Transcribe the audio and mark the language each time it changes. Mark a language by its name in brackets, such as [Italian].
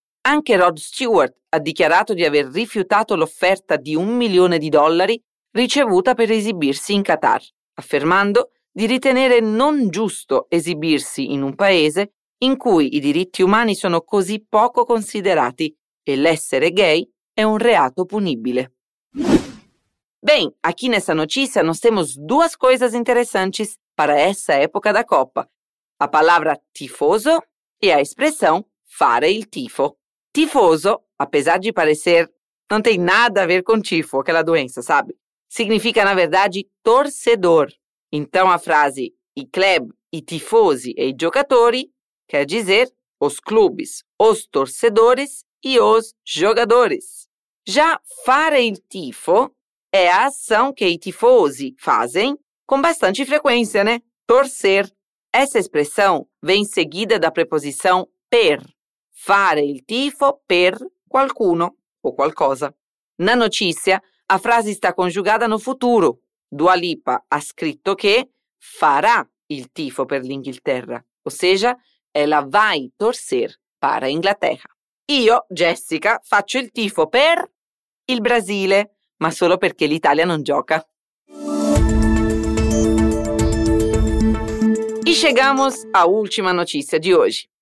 [Italian] Anche Rod Stewart ha dichiarato di aver rifiutato l'offerta di $1 milione ricevuta per esibirsi in Qatar, affermando di ritenere non giusto esibirsi in un paese in cui i diritti umani sono così poco considerati e l'essere gay è un reato punibile. [Portuguese] Bem, aqui nessa notícia nós temos duas coisas interessantes para essa época da Copa: a palavra tifoso e a expressão [Italian] fare il tifo. [Portuguese] Tifoso, apesar de parecer, não tem nada a ver com tifo, aquela doença, sabe? Significa, na verdade, torcedor. Então, a frase [Italian] i club, i tifosi e i giocatori [Portuguese] quer dizer os clubes, os torcedores e os jogadores. Já [Italian] fare il tifo [Portuguese] é a ação que [Italian] i tifosi [Portuguese] fazem com bastante frequência, né? Torcer. Essa expressão vem seguida da preposição per. [Italian] Fare il tifo per qualcuno ou qualcosa. [Portuguese] Na notícia, a frase está conjugada no futuro. [Italian] Dua Lipa ha scritto che farà il tifo per l'Inghilterra, [Portuguese] ou seja, ela vai torcer para a Inglaterra. [Italian] Io, Jessica, faccio il tifo per il Brasile, ma solo perché l'Italia non gioca. [Portuguese] E chegamos à última notícia de hoje.